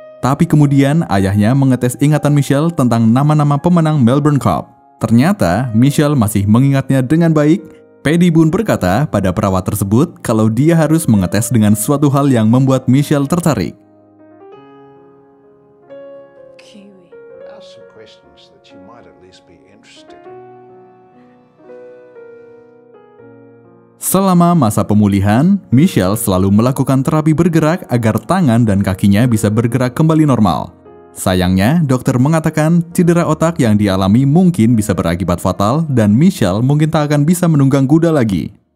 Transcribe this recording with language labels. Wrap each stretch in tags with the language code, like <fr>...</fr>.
<id>Tapi kemudian ayahnya mengetes ingatan Michelle tentang nama-nama pemenang Melbourne Cup. Ternyata, Michelle masih mengingatnya dengan baik. Paddy Boone berkata pada perawat tersebut kalau dia harus mengetes dengan suatu hal yang membuat Michelle tertarik. Kiwi.</id> <en>Ask some questions that you might at least be interested in.</en> <id>Selama masa pemulihan, Michelle selalu melakukan terapi bergerak agar tangan dan kakinya bisa bergerak kembali normal. Sayangnya, dokter mengatakan cedera otak yang dialami mungkin bisa berakibat fatal dan Michelle mungkin tak akan bisa menunggang kuda lagi.</id>